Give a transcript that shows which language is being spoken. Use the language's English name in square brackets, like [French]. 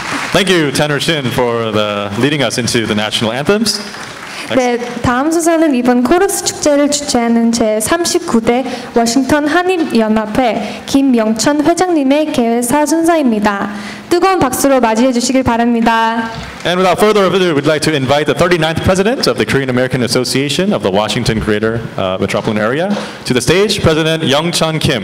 [English] Thank you, Tenor Shin, for the leading us into the national anthems. Next. [Korean] 네, 다음 순서는 이번 코러스 축제를 주최하는 제39대 워싱턴 한인연합회 김명천 회장님의 개회사 순서입니다. 뜨거운 박수로 맞이해 주시길 바랍니다. [English] And without further ado, we'd like to invite the 39th President of the Korean American Association of the Washington Greater Metropolitan Area to the stage, President Youngchun Kim.